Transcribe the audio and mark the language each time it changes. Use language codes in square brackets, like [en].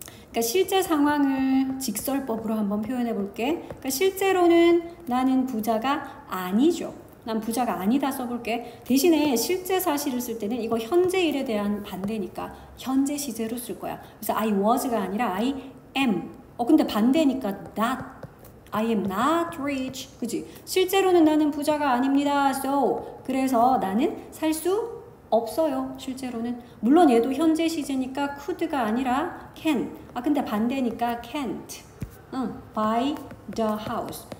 [ko] 그러니까 실제 상황을 직설법으로 한번 표현해 볼게. 그러니까 실제로는 나는 부자가 아니죠. 난 부자가 아니다 써볼게. 대신에 실제 사실을 쓸 때는 이거 현재 일에 대한 반대니까 현재 시제로 쓸 거야. 그래서 I was가 아니라 I am. 근데 반대니까 not. [en] I am not rich. [ko] 그지? 실제로는 나는 부자가 아닙니다. So, 그래서 나는 살 수 없어요. 실제로는. 물론 얘도 현재 시제니까 could가 아니라 can. 근데 반대니까 can't. [en] Buy the house.